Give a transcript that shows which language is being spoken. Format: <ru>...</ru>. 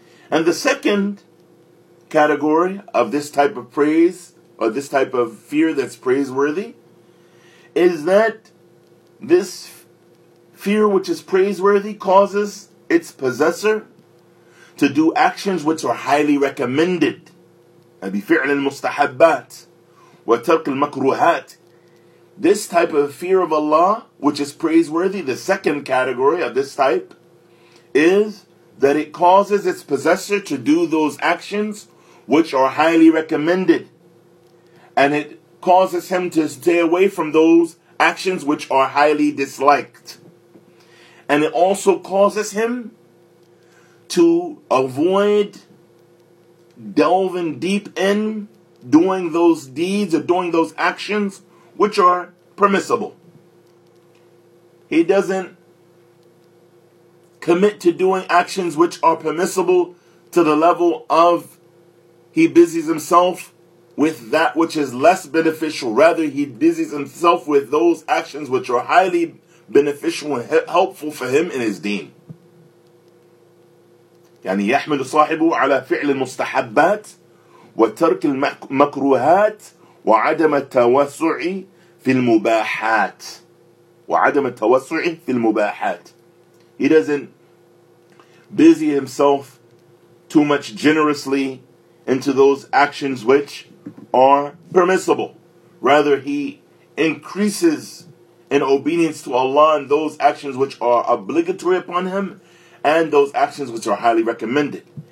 <en>And the second category of this type of praise, or this type of fear that's praiseworthy, is that this fear which is praiseworthy causes its possessor to do actions which are highly recommended.</en> <ar>بفعل المستحبات وترك المكروهات.</ar> <en>This type of fear of Allah, which is praiseworthy, the second category of this type, is that it causes its possessor to do those actions which are highly recommended. And it causes him to stay away from those actions which are highly disliked. And it also causes him to avoid delving deep in doing those deeds or doing those actions which are permissible. He doesn't commit to doing actions which are permissible to the level of he busies himself with that which is less beneficial. Rather, he busies himself with those actions which are highly beneficial and helpful for him in his deen.</en> <ar>يعني يحمل صاحبه على فعل المستحبات وترك المكروهات وعدم التوسع في المباحات. وعدم التوسع في المباحات.</ar> <en>He doesn't busy himself too much generously into those actions which are permissible. Rather, he increases in obedience to Allah and those actions which are obligatory upon him and those actions which are highly recommended.</en>